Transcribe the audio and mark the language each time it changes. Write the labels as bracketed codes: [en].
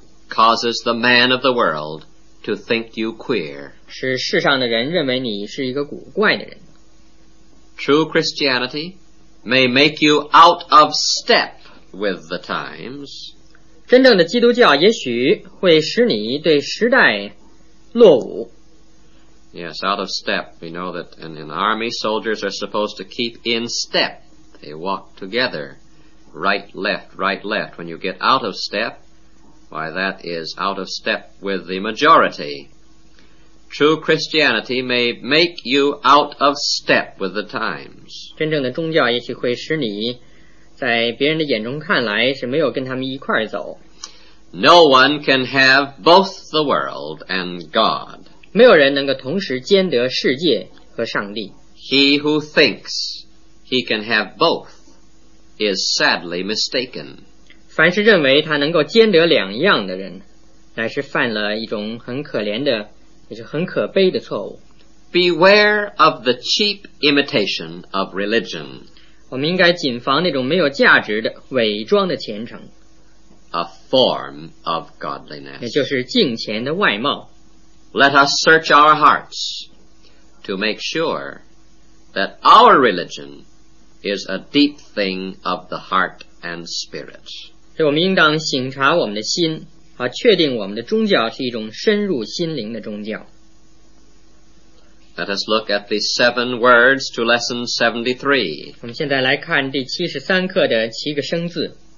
[en] causes the man of the world to think you queer, [zh] 使世上的人认为你是一个古怪的人。 [en] True Christianity,May make you out of step with the times. [zh] 真正的基督教也许会使你对时代落伍。 [en] Yes, out of step. We know that in army soldiers are supposed to keep in step. They walk together, right, left, right, left. When you get out of step, why that is out of step with the majority. True Christianity may make you out of step with the times. [zh] 真正的宗教也许会使你在别人的眼中看来是没有跟他们一块走。 [en] No one can have both the world and God. [zh] 没有人能够同时兼得世界和上帝。 [en] He who thinks he can have both is sadly mistaken. [zh] 凡是认为他能够兼得两样的人，乃是犯了一种很可怜的也是很可悲的错误。 [en] Beware of the cheap imitation of religion. [zh] 我们应该谨防那种没有价值的伪装的虔诚。 [en] A form of godliness. [zh] 也就是敬虔的外貌。 [en] Let us search our hearts to make sure that our religion is a deep thing of the heart and spirit. [zh] 所以我们应当省察我们的心。好，确定我们的宗教是一种深入心灵的宗教。 [en] Let us look at the seven words to lesson 73. [zh] 我们现在来看第73课的七个生字。